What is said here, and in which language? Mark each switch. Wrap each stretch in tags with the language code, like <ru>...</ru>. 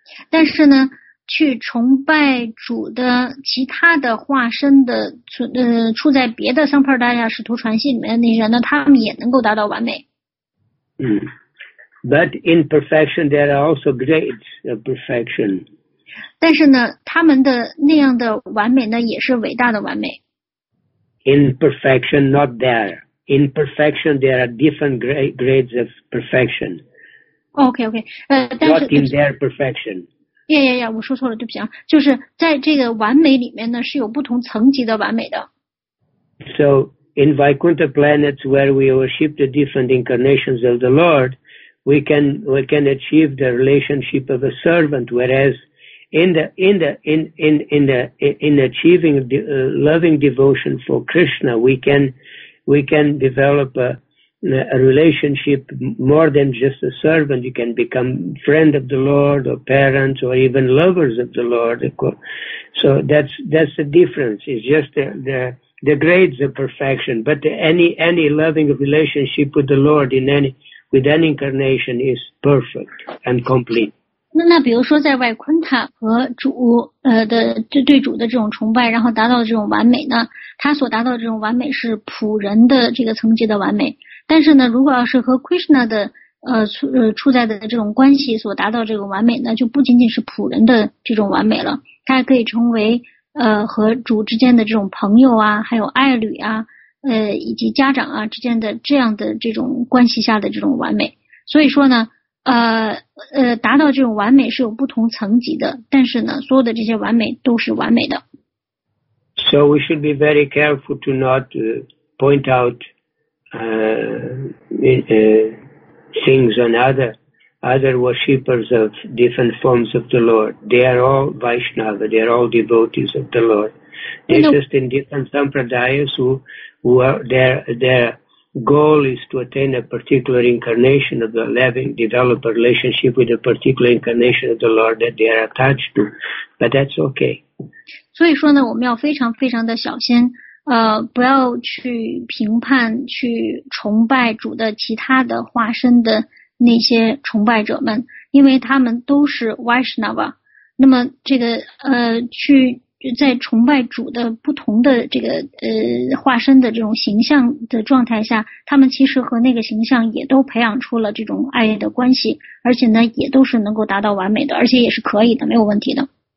<zh>但是呢，去崇拜主的其他的化身的处在别的 sampradaya 使徒传系里面的那人呢，他们也能够达到完美。</zh> <en>But in perfection, there are also grades of perfection.</en> <zh>但是呢，他们的那样的完美呢，也是伟大的完美。</zh> <en>Imperfection not there. In perfection, there are different grades of perfection. Okay, okay. Not in their perfection. Yeah, yeah, yeah.</en> <zh>我说错了，对不起啊。就是在这个完美里面呢，是有不同层级的完美的。</zh> <en>So in Vaikuntha planets where we worship the different incarnations of the Lord, we can achieve the relationship of a servant, whereas in achieving the loving devotion for Krishna, we can develop a relationship more than just a servant. You can become friend of the Lord or parents or even lovers of the Lord. So that's the difference. It's just the grades of perfection. But any loving relationship with the Lord with any incarnation is perfect and complete.</en> <zh>那比如说在外昆塔和主的对主的这种崇拜，然后达到的这种完美呢，他所达到的这种完美是普人的这个层级的完美。但是呢，如果要是和 Krishna 的处在的这种关系所达到这种完美呢，就不仅仅是普人的这种完美了，他还可以成为和主之间的这种朋友啊，还有爱侣啊，以及家长啊之间的这样的这种关系下的这种完美。所以说呢，达到这种完美是有不同层级的，但是呢，所有的这些完美都是完美的。</zh> <en>So we should be very careful to not point out things on other worshippers of different forms of the Lord. They are all Vaishnava. They are all devotees of the Lord. They're just in different sampradayas who are there. Goal is to attain a particular incarnation of the loving, develop a relationship with a particular incarnation of the Lord that they are attached to, but that's okay.</en> <zh>所以说呢，我们要非常非常的小心，不要去评判、去崇拜主的其他的化身的那些崇拜者们，因为他们都是 Vaishnava。那么这个去在崇拜主的不同的这个化身的这种形象的状态下，他们其实和那个形象也都培养出了这种爱的关系，而且呢也都是能够达到完美的，而且也是可以的，没有问题的。</zh>